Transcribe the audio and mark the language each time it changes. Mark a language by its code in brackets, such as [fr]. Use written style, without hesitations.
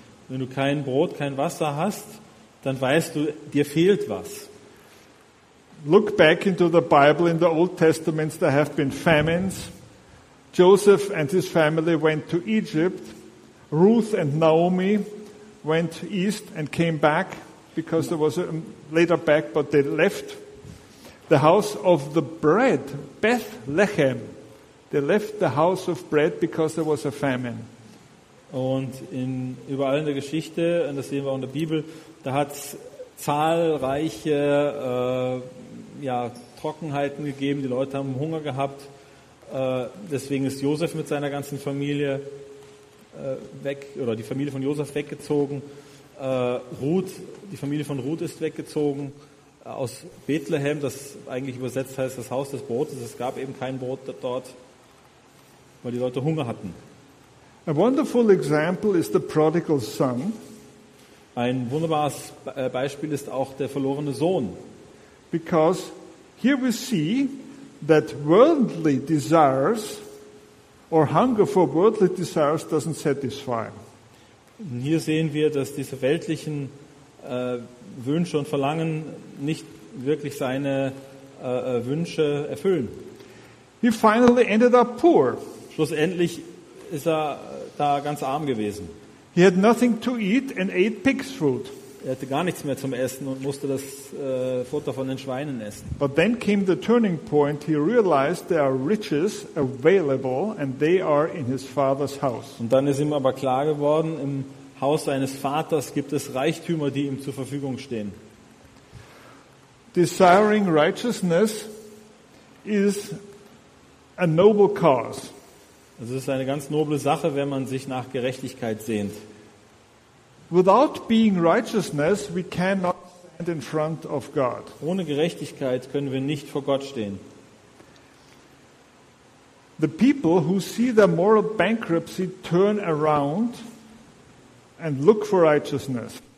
[de] Wenn du kein Brot, kein Wasser hast, dann weißt du, dir fehlt was. [en] Look back into the Bible, in the Old Testament, there have been famines. Joseph and his family went to Egypt. Ruth and Naomi went east and came back because there was a later back, but they left the house of the bread, Bethlehem. They left the house of bread because there was a famine. [de] Und in überall in der Geschichte, und das sehen wir auch in der Bibel, da hat es zahlreiche Trockenheiten gegeben, die Leute haben Hunger gehabt. Deswegen ist Josef mit seiner ganzen Familie weg, oder die Familie von Josef weggezogen. Ruth, die Familie von Ruth ist weggezogen aus Bethlehem, das eigentlich übersetzt heißt das Haus des Brotes. Es gab eben kein Brot dort, weil die Leute Hunger hatten. [en] A wonderful example is the prodigal son. [de] Ein wunderbares Beispiel ist auch der verlorene Sohn. [en] Because here we see that worldly desires or hunger for worldly desires doesn't satisfy. [de] Und hier sehen wir, dass diese weltlichen Wünsche und Verlangen nicht wirklich seine Wünsche erfüllen. [en] He finally ended up poor. [de] Schlussendlich ist er da ganz arm gewesen. [en] He had nothing to eat and ate pig's food. [de] Er hatte gar nichts mehr zum Essen und musste das Futter von den Schweinen essen. [en] But then came the turning point. He realized there are riches available and they are in his father's house. [de] Und dann ist ihm aber klar geworden, im Haus seines Vaters gibt es Reichtümer, die ihm zur Verfügung stehen. [en] Desiring righteousness is a noble cause. [de] Es ist eine ganz noble Sache, wenn man sich nach Gerechtigkeit sehnt. [en] Without being righteousness, we cannot stand in front of God. [de] Ohne Gerechtigkeit können wir nicht vor Gott stehen. [en] The people who see their moral bankruptcy turn around and look for righteousness.